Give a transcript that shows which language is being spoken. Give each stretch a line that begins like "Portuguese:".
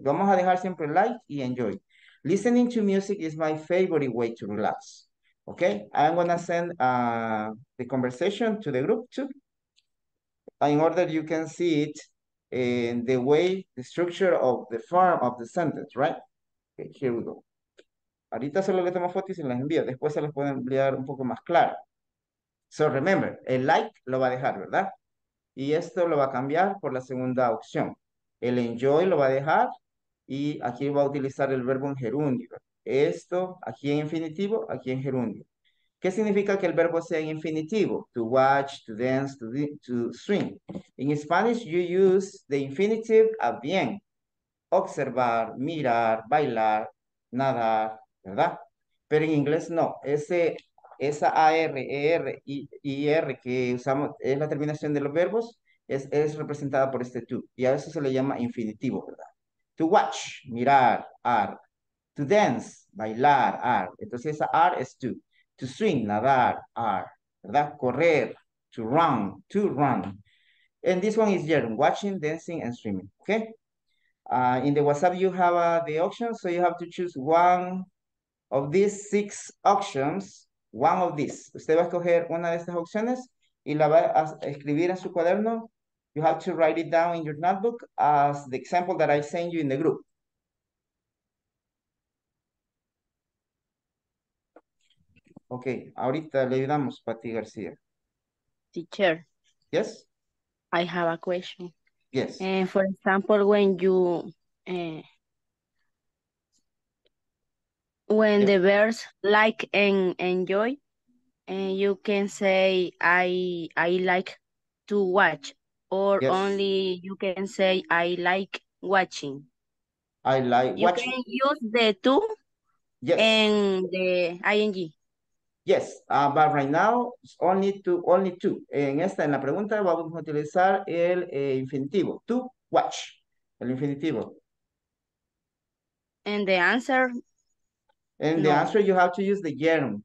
Spanish: Vamos a dejar siempre like y enjoy.
English: Listening to music is my favorite way to relax. Okay, I'm gonna send the conversation to the group too. In order you can see it in the way, the structure of the form of the sentence, right? Okay, here we go.
Spanish: Ahorita solo le tomo fotos y las envío. Después se las pueden enviar un poco más claro.
English: So remember,
Spanish: el like lo va a dejar, ¿verdad? Y esto lo va a cambiar por la segunda opción. El enjoy lo va a dejar y aquí va a utilizar el verbo en gerundio. Esto aquí en infinitivo, aquí en gerundio. ¿Qué significa que el verbo sea en infinitivo?
English: To watch, to dance, to swim. In Spanish, you use the infinitive at the end.
Spanish: Observar, mirar, bailar, nadar, ¿verdad? Pero en inglés no. Esa AR, ER, IR que usamos es la terminación de los verbos, es representada por este to. Y a eso se le llama infinitivo, ¿verdad?
English: To watch,
Spanish: mirar, are.
English: To dance,
Spanish: bailar, are. Entonces esa are es to.
English: To swim,
Spanish: nadar, are. ¿Verdad? Correr,
English: to run. And this one is German, watching, dancing, and swimming. Okay? In the WhatsApp, you have the options, so you have to choose one of these six options. One of these.
Spanish: Usted va a escoger una de estas opciones y la va a escribir en su cuaderno.
English: You have to write it down in your notebook as the example that I send you in the group.
Spanish: Ok, ahorita le ayudamos, Pati García.
English: Teacher. Yes. I have a question. Yes. For example, when you... when yep. The verbs like and enjoy, and you can say I like to watch, or yes. Only you can say I like watching. I like you watching. You can use the two, yes. And the ing. Yes, but right now it's only two.
Spanish: En esta, en la pregunta, vamos a utilizar el infinitivo, to watch, el infinitivo.
English: And the answer. And no. The answer, you have to use the gerund.